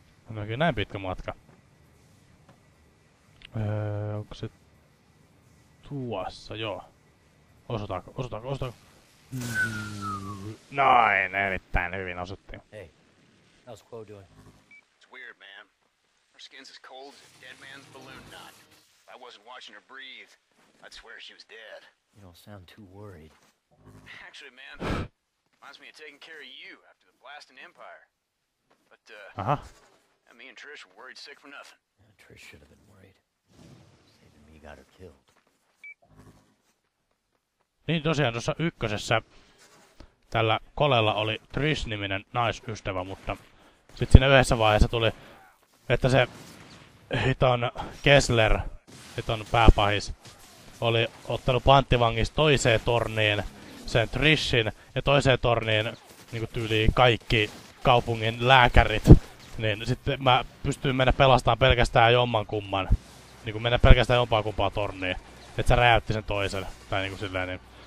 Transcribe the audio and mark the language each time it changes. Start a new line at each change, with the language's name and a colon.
Finnish: On oikein näin pitkä matka. Onko se tuossa? Joo. Osutaanko? Noin, erittäin hyvin osuttiin.
English: Hey, how's Quo doing? It's weird, man. Her skin's as cold as a dead man's balloon knot. If I wasn't watching her breathe, I'd swear she was dead. You don't sound too worried. Actually, man, reminds me of taking care of you after the blast in Empire. But, uh-huh. Me and Trish were worried sick for nothing. Yeah, Trish should have been worried. Saving me got her killed.
Finnish: Niin tosiaan tuossa ykkösessä tällä Colella oli Trish-niminen naisystävä, mutta sit siinä yhdessä vaiheessa tuli, että se hiton Kessler, hiton pääpahis, oli ottanut panttivangista toiseen torniin sen Trishin ja toiseen torniin niinku tyyliin kaikki kaupungin lääkärit, niin sitten mä pystyin mennä pelastamaan pelkästään jommankumman, niinku mennä pelkästään jompaa kumpaa torniin, että se räjäytti sen toisen, tai niinku silleen, niin